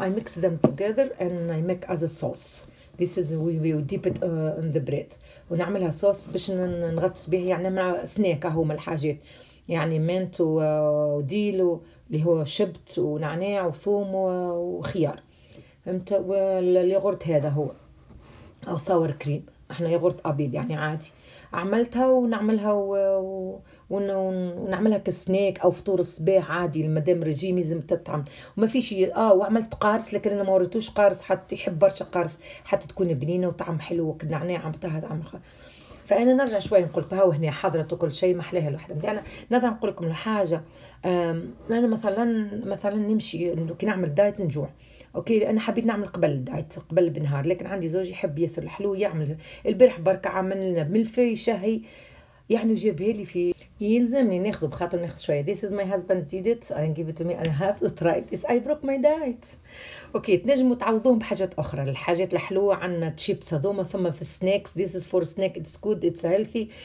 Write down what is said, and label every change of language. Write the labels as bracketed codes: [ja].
[en] I mix them together and I make as a sauce. This is we will dip it in the bread. [ar] ونعملها صوص باش نغطس بها، يعني مع سناك اهو من الحاجات، يعني مينت وديل اللي هو شبت ونعناع وثوم وخيار، فهمت؟ والياغورت هذا هو او ساور كريم، احنا ياغورت ابيض يعني عادي. عملتها ونعملها ونعملها كسناك او فطور الصباح عادي، المدام رجيم لازم تطعم وما فيش. وعملت قارص، لكن انا ما وريتوش قارص، حتى يحب برشا قارص حتى تكون بنينه وطعم حلو والنعناع عملتها طعم. فانا نرجع شويه نقول لك، هاو هنا حضرت كل شيء، محلاها الوحده نتاعنا. نرجع نقول لكم الحاجه، انا مثلا نمشي كي نعمل دايت نجوع، اوكي؟ انا حبيت نعمل قبل الدايت، قبل بنهار، لكن عندي زوجي يحب ياسر الحلو يعمل. البارح برك عمل لنا ملفي شهي، يعني جابها لي في يلزمني ناخذ، بخاطر ناخذ شويه. [en] This is my husband did it, I give it to me and I have to try this. I broke my diet. [ar] اوكي، تنجموا تعوضوهم بحاجات اخرى، الحاجات الحلوه عندنا تشيبس هذوما، ثم في السناكس. [en] This is for snack, it's good, it's healthy.